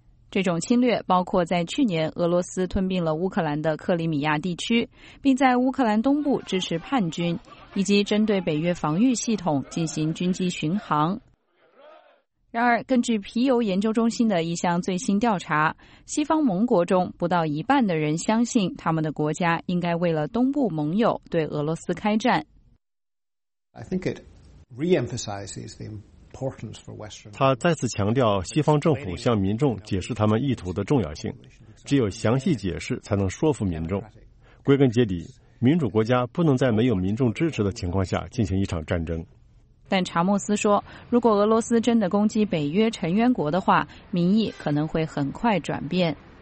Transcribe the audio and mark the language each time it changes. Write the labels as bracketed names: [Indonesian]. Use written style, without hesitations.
[Chinese] 这种侵略包括在去年俄罗斯吞并了乌克兰的克里米亚地区，并在乌克兰东部支持叛军，以及针对北约防御系统进行军机巡航。然而，根据皮尤研究中心的一项最新调查，西方盟国中不到一半的人相信他们的国家应该为了东部盟友对俄罗斯开战。 [English] I think it re-emphasizes the importance for Western. [Chinese] 他再次强调西方政府向民众解释他们意图的重要性，只有详细解释才能说服民众。归根结底，民主国家不能在没有民众支持的情况下进行一场战争。但查莫斯说，如果俄罗斯真的攻击北约成员国的话，民意可能会很快转变。